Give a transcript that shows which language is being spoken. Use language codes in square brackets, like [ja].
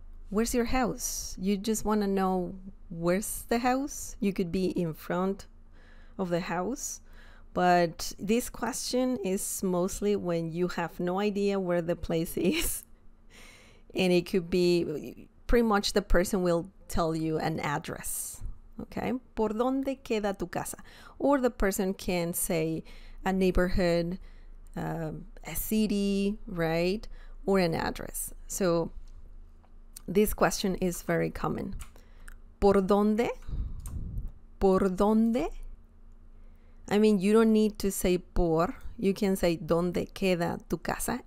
[en] Where's your house? You just want to know where's the house? You could be in front of the house. But this question is mostly when you have no idea where the place is. And it could be pretty much the person will tell you an address. [es] Okay, ¿por dónde queda tu casa? [en] Or the person can say a neighborhood, a city, right? Or an address. So this question is very common. [es] ¿Por dónde? ¿Por dónde? [en] I mean, you don't need to say por. You can say [es] ¿dónde queda tu casa?